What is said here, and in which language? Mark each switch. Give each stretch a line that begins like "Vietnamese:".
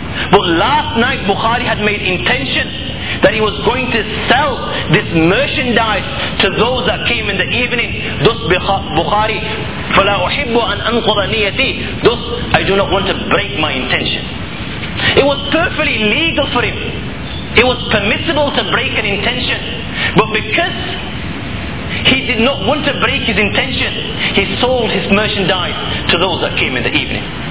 English: But last night Bukhari had made intention that he was going to sell this merchandise to those that came in the evening. Thus Bukhari,
Arabic: فَلَا أُحِبُّ أَنْ أَنْقُضَ نِيَتِي.
English: Thus, I do not want to break my intention. It was perfectly legal for him. It was permissible to break an intention. But because he did not want to break his intention, he sold his merchandise to those that came in the evening.